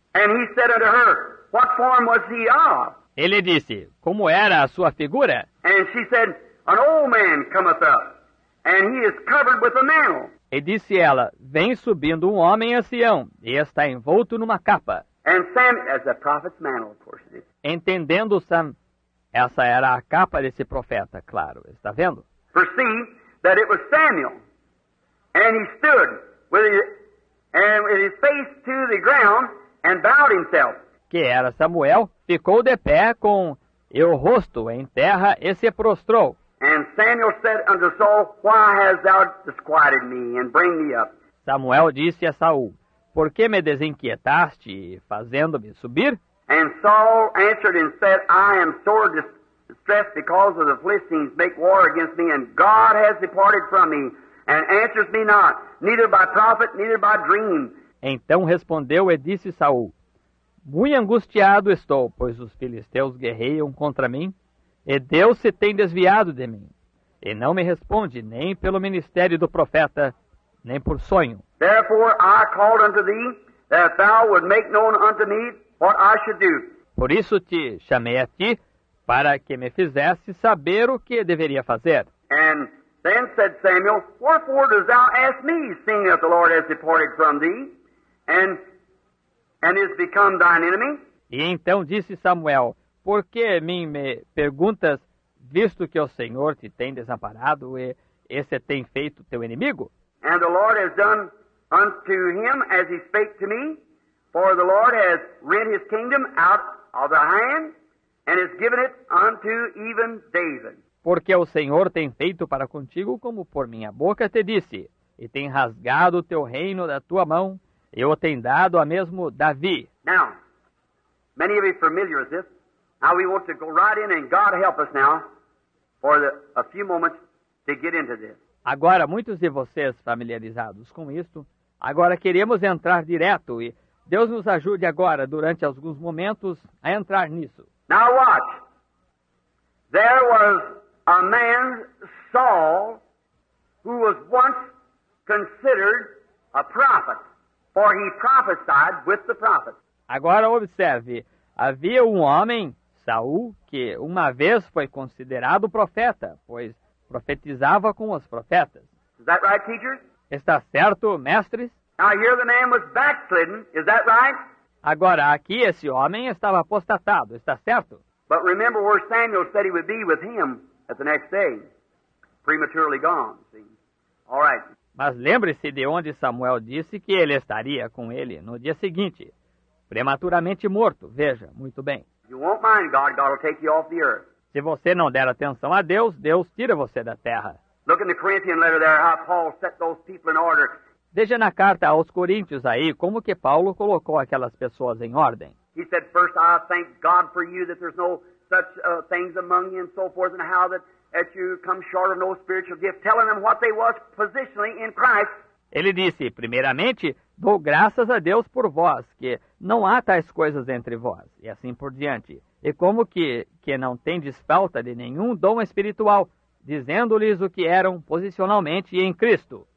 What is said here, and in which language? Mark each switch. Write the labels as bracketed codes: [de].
[en] And he said unto her, What form was he of? [pt] Ele disse, Como era a sua figura? [en] And she said, An old man cometh up, and he is covered with a mantle. [pt] E disse ela, Vem subindo um homem ancião, e está envolto numa capa. [en] And Sam, as the prophet's mantle, of course it is. [pt] Entendendo Sam, essa era a capa desse profeta, claro, está vendo? [en] Perceived that it was Samuel, and he stood with his face to the ground and bowed himself. [pt] Que era Samuel, ficou de pé com o rosto em terra e se prostrou. [en] And Samuel said unto Saul, Why hast thou disquieted me and bring me up? [pt] Samuel disse a Saul, Por que me desinquietaste, fazendo-me subir? [en] And Saul answered and said, I am sore distressed because of the Philistines make war against me, and God has departed from me, and answers me not, neither by prophet, neither by dream. [pt] Então respondeu e disse Saul, Muito angustiado estou, pois os filisteus guerreiam contra mim, e Deus se tem desviado de mim, e não me responde nem pelo ministério do profeta, nem por sonho. [en] Therefore I called unto thee, that thou would make known unto me what I should do. [pt] Por isso te chamei a ti, para que me fizesse saber o que deveria fazer. [en] And then said Samuel, Wherefore dost thou ask me, seeing that the Lord has departed from thee, and is become thine enemy? [pt] E então disse Samuel, Por que mim me perguntas, visto que o Senhor te tem desamparado e esse tem feito teu inimigo? [en] And the Lord has done unto him as he spake to me, for the Lord has rent his kingdom out of the hand and has given it unto even David. [pt] Porque o Senhor tem feito para contigo como por minha boca te disse, e tem rasgado o teu reino da tua mão, e o tem dado a mesmo Davi. [en] Now, many of you are familiar with this. Now we want to go right in and God help us now for a few moments to get into this. [pt] Agora, muitos de vocês familiarizados com isto, agora queremos entrar direto e Deus nos ajude agora, durante alguns momentos, a entrar nisso. [en] Now watch. There was a man, Saul, who was once considered a prophet, for he prophesied with the prophet. [pt] Agora observe, havia um homem, Saul, que uma vez foi considerado profeta, pois profetizava com os profetas. [en] Is that right, teachers? [pt] Está certo, mestres? [en] Now, here the man was backslidden. Is that right? [pt] Agora, aqui esse homem estava apostatado. Está certo? [en] But remember where Samuel said he would be with him at the next day. Prematurely gone, see? All right. [pt] Mas lembre-se de onde Samuel disse que ele estaria com ele no dia seguinte. Prematuramente morto. Veja, muito bem. [en] You won't mind God. God will take you off the earth. [pt] Se você não der atenção a Deus, Deus tira você da terra. [en] Look in the Corinthian letter there, how Paul set those people in order. [pt] Veja na carta aos Coríntios aí como que Paulo colocou aquelas pessoas em ordem. [en] He said, first I thank God for you that there's no such things among you and so forth and how that you come short of no spiritual gift, telling them what they was positionally in Christ. [pt] Ele disse, primeiramente, dou graças a Deus por vós, que não há tais coisas entre vós, e assim por diante. E como que não tendes falta de nenhum dom espiritual, dizendo-lhes o que eram posicionalmente em Cristo.